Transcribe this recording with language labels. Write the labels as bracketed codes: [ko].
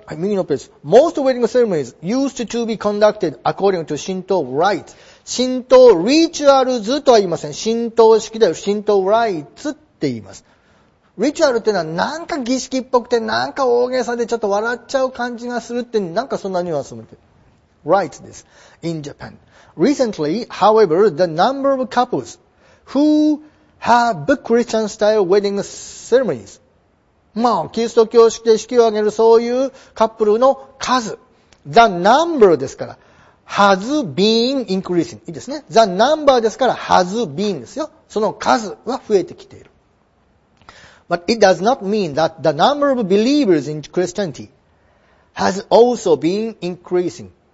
[ja] はい、右のペース。 [en] Most wedding ceremonies used to be conducted according to Shinto rites。 [ja] Shinto rituals とは言いません。神道式で Shinto rites って言います。リチュアルっていうのはなんか儀式っぽくて、なんか大げさでちょっと笑っちゃう感じがするって、なんかそんなニュアンスもって。 [en] Rites です。In Japan. Recently, however, the number of couples who have Christian style wedding ceremonies. [ja] まあ、キリスト教式で式を挙げるそういうカップルの数。 [en] The number [ja] ですから、 [en] has been increasing. [ja] いいですね。 [en] The number [ja] ですから、 [en] has been [ja] ですよ。その数は増えてきている。 [en] But it does not mean that the number of believers in Christianity has also been increasing.